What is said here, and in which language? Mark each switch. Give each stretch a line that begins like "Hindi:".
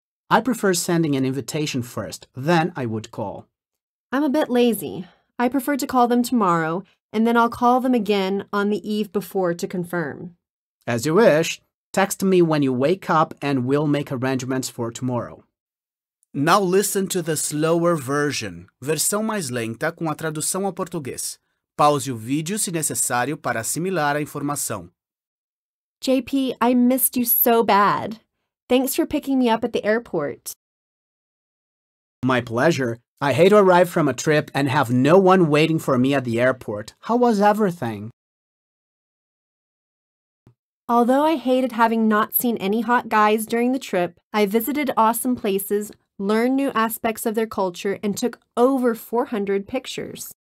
English: I prefer sending an invitation first, then I would call. I'm a bit lazy. I prefer to call them tomorrow, and then I'll call them again on the eve before to confirm. As you wish. Text me when you wake up and we'll make arrangements for tomorrow. Now listen to the slower version.
Portuguese: Versão mais lenta com a tradução ao português. Pause o vídeo se necessário para assimilar a informação.
English: JP, I missed you so bad. Thanks for picking me up at the airport. My pleasure. I hate to arrive from a trip and have no one waiting for me at the airport. How was everything? Although I hated having not seen any hot guys during the trip, I visited awesome places, learned new aspects of their culture, and took over 400 pictures.